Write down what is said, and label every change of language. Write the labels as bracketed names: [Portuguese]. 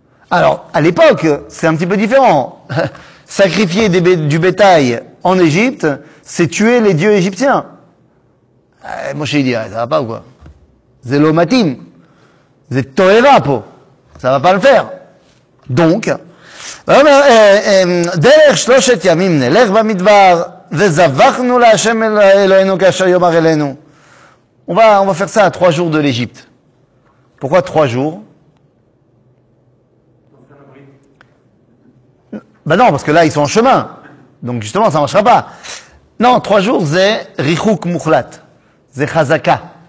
[French] Alors, à l'époque, c'est un petit peu différent. Sacrifier du bétail en Égypte, c'est tuer les dieux égyptiens. Moshe dit, ça va pas ou quoi? [Hebrew] Zélo matim, zé toéva po, [French] ça va pas le faire. [Hebrew] Donc, דרך שלושת ימים נלך במדבר וזבחנו להשם אלוהינו כאשר יאמר אלינו. [French] On va faire ça à 3 jours de l'Égypte. Pourquoi 3 jours? Ben non, parce que là ils sont en chemin. Donc justement ça ne marchera pas. Non, 3 jours c'est richouk mouchlat, c'est chazaka.